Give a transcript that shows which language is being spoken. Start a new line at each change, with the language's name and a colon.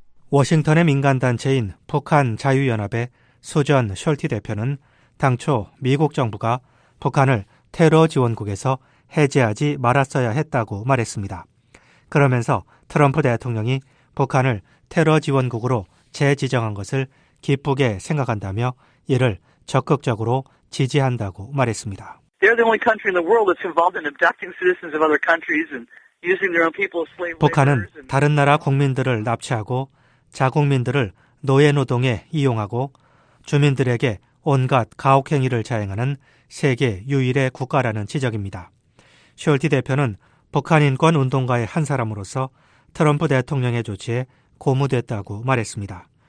Korean: 워싱턴의 민간단체인 북한자유연합의 수전 숄티 대표는 당초 미국 정부가 북한을 테러 지원국에서 해제하지 말았어야 했다고 말했습니다. 그러면서 트럼프 대통령이 북한을 테러 지원국으로 재지정한 것을 기쁘게 생각한다며 이를 적극적으로 지지한다고 말했습니다.
English: They're the only country in the world that's involved in abducting citizens of other countries and using their own people as slave laborers.
Korean: 북한은 다른 나라 국민들을 납치하고 자국민들을 노예 노동에 이용하고 주민들에게 온갖 가혹 행위를 자행하는 세계 유일의 국가라는 지적입니다. 숄티 대표는 북한 인권 운동가의 한 사람으로서 트럼프 대통령의 조치에 고무됐다고 말했습니다.